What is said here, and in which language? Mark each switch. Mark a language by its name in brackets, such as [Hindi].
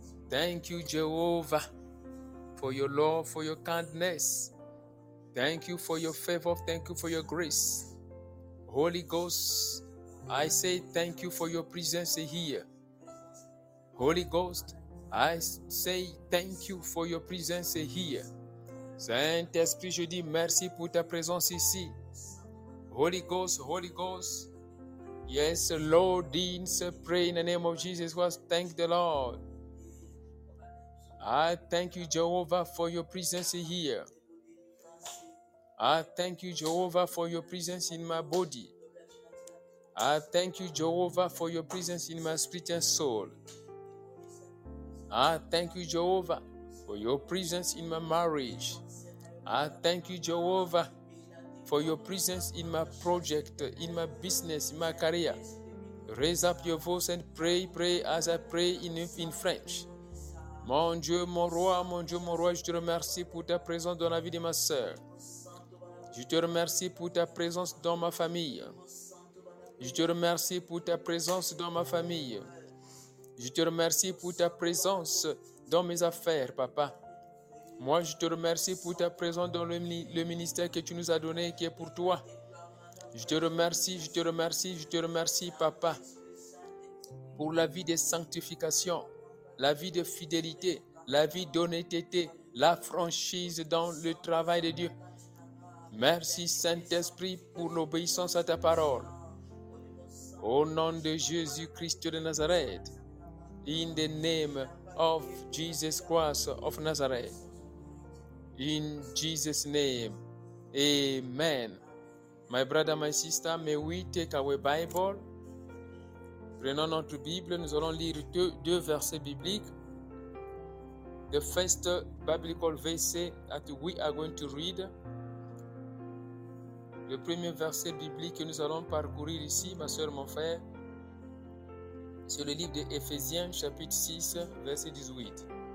[English] Thank you, Jehovah, for your love, for your kindness. Thank you for your favor. Thank you for your grace. Holy Ghost, I say thank you for your presence here. Holy Ghost, I say thank you for your presence here. [French] Saint-Esprit, je dis merci pour ta présence ici. [English] Holy Ghost, Holy Ghost. Yes, Lord, Deans, pray in the name of Jesus. Thank the Lord. I thank you, Jehovah, for your presence here. I thank you, Jehovah, for your presence in my body. I thank you, Jehovah, for your presence in my spirit and soul. I thank you, Jehovah, for your presence in my marriage. I thank you, Jehovah, for your presence in my project, in my business, in my career. Raise up your voice and pray, pray as I pray in French. [French] Mon Dieu, je te remercie pour ta présence dans la vie de ma sœur. Je te remercie pour ta présence dans ma famille. Je te remercie pour ta présence dans ma famille. Je te remercie pour ta présence dans mes affaires, papa. Moi, je te remercie pour ta présence dans le ministère que tu nous as donné, qui est pour toi. Je te remercie, je te remercie, je te remercie, papa, pour la vie de sanctification, la vie de fidélité, la vie d'honnêteté, la franchise dans le travail de Dieu. Merci, Saint-Esprit, pour l'obéissance à ta parole. Au nom de Jésus-Christ de Nazareth, [English] in the name of Jesus Christ of Nazareth, in Jesus' name, amen. My brother, my sister, may we take our Bible. [French] Prenons notre Bible, nous allons lire deux versets bibliques. [English] The first biblical verse that we are going to read. [French] Le premier verset biblique que nous allons parcourir ici, ma soeur, mon frère, c'est le livre d'Éphésiens, chapitre 6, verset 18.